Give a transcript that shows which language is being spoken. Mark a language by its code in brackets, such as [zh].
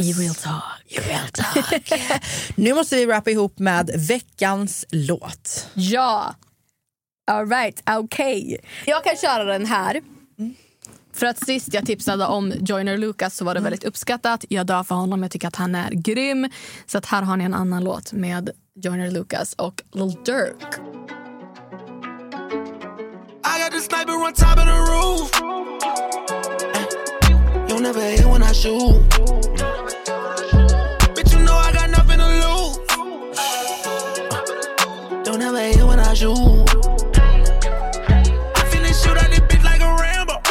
[en] I will talk, you will talk. [sv] Nu måste vi rappa ihop med veckans låt. Ja. [en] All right, okay. [sv] Jag kan köra den här. För att sist jag tipsade om Joyner Lucas så var det väldigt uppskattat. Jag dör för honom, jag tycker att han är grym. Så att här har ni en annan låt med Joyner Lucas och Lil Durk. [en] I got the sniper on top of the roof. You never hear when I shoot. Bitch, you know I got nothing to lose. Don't ever hear when I shoot. I finish shoot out this bitch like a Rambo.